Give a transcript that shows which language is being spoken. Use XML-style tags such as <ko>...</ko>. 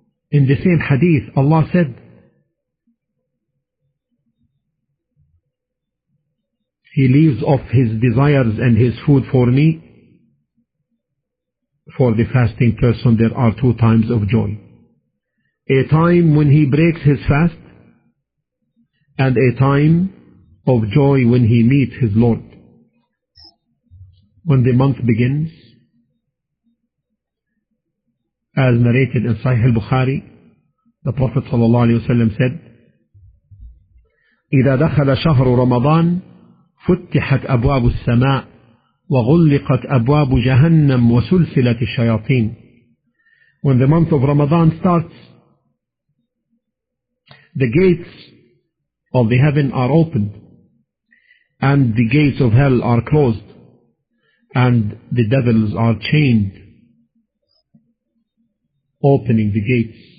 <en>In the same hadith, Allah said, he leaves off his desires and his food for me. For the fasting person, there are 2 times of joy. A time when he breaks his fast, and a time of joy when he meets his Lord. When the month begins, as narrated in Sahih al-Bukhari, the Prophet ﷺ said,</en> <ar>إِذَا دَخَلَ شَهْرُ رَمَضَانَ فُتِّحَتْ أَبْوَابُ السَّمَاءِ وَغُلِّقَتْ أَبْوَابُ جَهَنَّمْ وَسُلْسِلَةِ الشَّيَاطِينَ.</ar> <en>When the month of Ramadan starts, the gates of the heaven are opened, and the gates of hell are closed, and the devils are chained, opening the gates.</en>